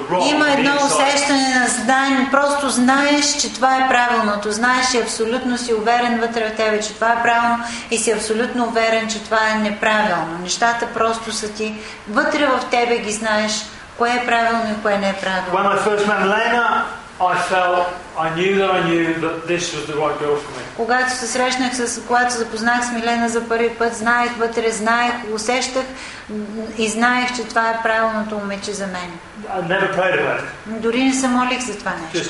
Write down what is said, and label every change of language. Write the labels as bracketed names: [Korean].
[Bulgarian] Има едно усещане на знание. Просто знаеш, че това е правилното. Знаеш и абсолютно си уверен вътре в тебе, че това е правилно и си абсолютно уверен, че това е неправилно. Нещата просто са ти вътре в тебе, ги знаеш кое е правилно и кое не е правилно. [English] When I first met Lena, I knew that this was the right girl for me. [Bulgarian] Когато се срещнах когато запознах с Милена за първи път, усещах, знаех, че това е правилното момиче за мен. [English] I never prayed about it. [Bulgarian] Дори не се молих за това нещо.